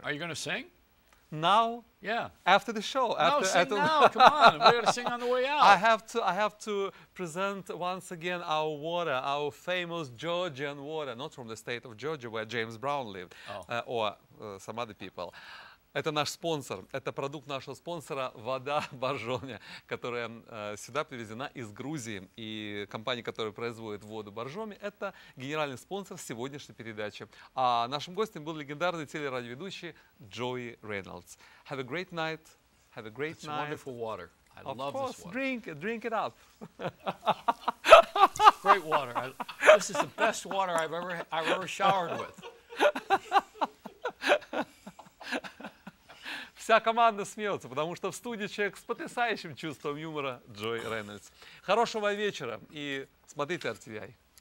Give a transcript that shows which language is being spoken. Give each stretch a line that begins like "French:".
English: Are you going to sing? Now? Yeah. After the show. After, no, sing now. Come on. We're going to sing on the way out. I have to present once again our water, our famous Georgian water, not from the state of Georgia where James Brown lived, or some other people.
Russian: Это наш спонсор, это продукт нашего спонсора, вода Боржоми, которая сюда привезена из Грузии. И компания, которая производит воду Боржоми, это генеральный спонсор сегодняшней передачи. А нашим гостем был легендарный телерадиоведущий Джои Рейнольдс.
English: Have a great night. Have a great It's night. Wonderful water. I of love course, this water. Drink it up. Great water. This is the best water I've ever showered with.
Russian: Вся команда смеется, потому что в студии человек с потрясающим чувством юмора Джои Рейнольдс. Хорошего вечера и смотрите RTVI.